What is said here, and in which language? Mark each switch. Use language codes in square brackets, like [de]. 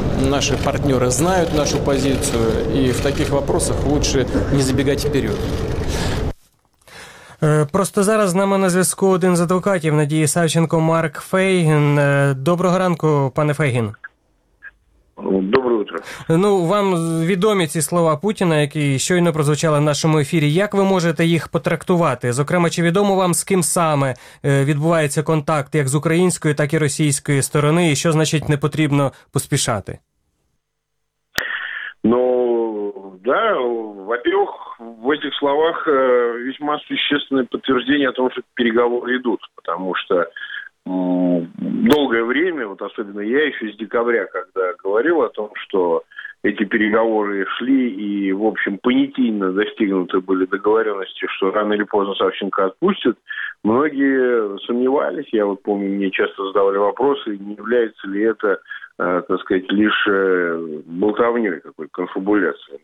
[ru] Наши партнеры знают нашу позицию, и в таких вопросах лучше не забегать вперед. [uk] Просто зараз з нами на зв'язку один з адвокатів Надії Савченко, Марк Фейгін. Доброго ранку, пане Фейгін. [ru] Доброе утро. [uk] Ну, вам відомі ці слова Путіна, які щойно прозвучали в нашому ефірі. Як ви можете їх потрактувати? Зокрема, чи відомо вам, з ким саме відбувається контакт як з української, так і російської сторони, і що значить не потрібно поспішати? [ru] Ну, да, во-первых, в этих словах весьма существенное подтверждение о том, что переговоры идут, потому что долгое время, вот особенно я еще с декабря, когда говорил о том, что эти переговоры шли и, в общем, понятийно достигнуты были договоренности, что рано или поздно Савченко отпустят, многие сомневались, я вот помню, мне часто задавали вопросы, не является ли это, так сказать, лишь болтовней какой-то, конфабуляцией.